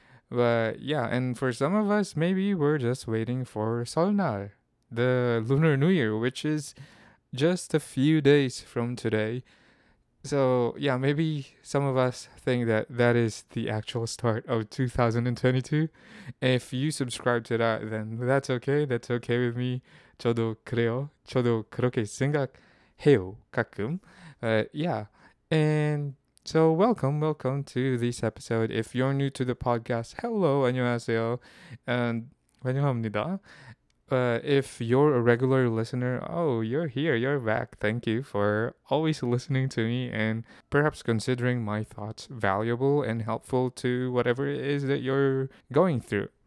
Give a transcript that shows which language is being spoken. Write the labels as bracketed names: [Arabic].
[English] But yeah, and for some of us, maybe we're just waiting for Solnar, the Lunar New Year, which is just a few days from today. So yeah, maybe some of us think that that is the actual start of 2022. If you subscribe to that, then that's okay. That's okay with me. [Korean] 저도 그래요. 저도 그렇게 생각해요, 가끔. [English] Yeah. And so welcome to this episode. If you're new to the podcast, hello, [Korean] 안녕하세요. [English] And [Korean] 환영합니다. [English] If you're a regular listener, oh, you're here, you're back. Thank you for always listening to me and perhaps considering my thoughts valuable and helpful to whatever it is that you're going through.